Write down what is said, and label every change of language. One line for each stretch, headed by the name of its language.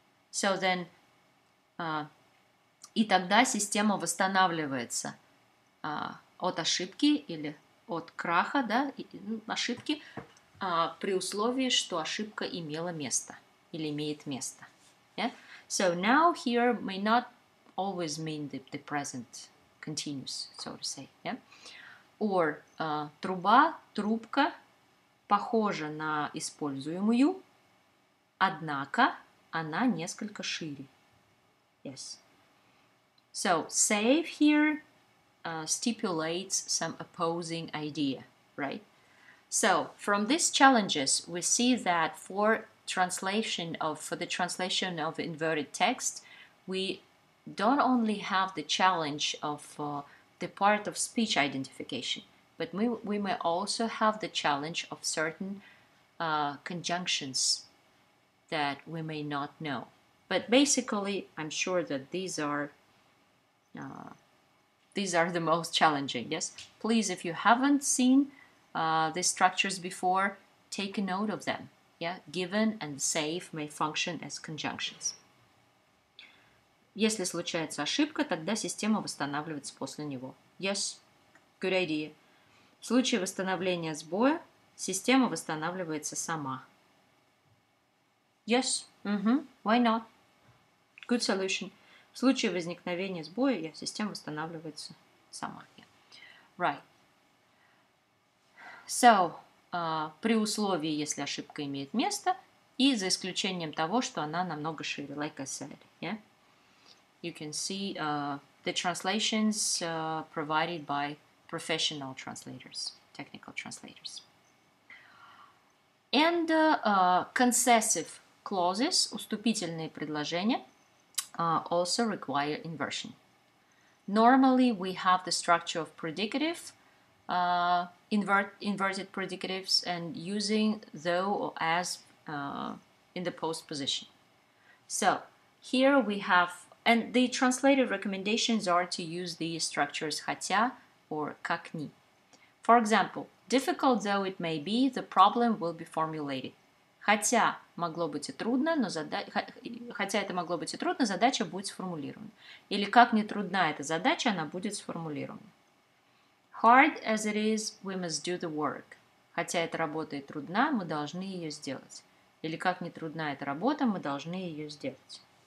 English: So then,
Russian: и тогда система восстанавливается от ошибки или от краха, да, ошибки, при условии, что ошибка имела место или имеет место.
English: Yeah? So now here may not always mean the present continuous, so to say. Yeah? Or
Russian: трубка похожа на используемую, однако она несколько шире.
English: Yes. So, save here stipulates some opposing idea, right? So, from these challenges, we see that for the translation of inverted text, we don't only have the challenge of the part of speech identification, but we may also have the challenge of certain conjunctions that we may not know. But basically, I'm sure that these are the most challenging, yes? Please, if you haven't seen the structures before, take a note of them, yeah? Given and save may function as conjunctions.
Russian: Если случается ошибка, тогда система восстанавливается после него.
English: Yes, good idea.
Russian: В случае восстановления сбоя, система восстанавливается сама.
English: Yes, mm-hmm. Why not? Good solution.
Russian: В случае возникновения сбоя, система восстанавливается сама.
English: Yeah. Right.
Russian: So, при условии, если ошибка имеет место, и за исключением того, что она намного шире,
English: like I said. Yeah? You can see the translations provided by professional translators, technical translators. And concessive clauses,
Russian: уступительные предложения,
English: also require inversion. Normally, we have the structure of predicative, inverted predicatives, and using though or as in the postposition. So, here we have, and the translative recommendations are to use the structures хотя or как ни. For example, difficult though it may be, the problem will be formulated.
Russian: Хотя это могло быть и трудно, задача будет сформулирована. Или как ни трудна эта задача, она будет сформулирована.
English: Hard as it is, we must do the work.
Russian: Хотя эта работа и трудна, мы должны ее сделать. Или как ни трудна эта работа, мы должны ее сделать.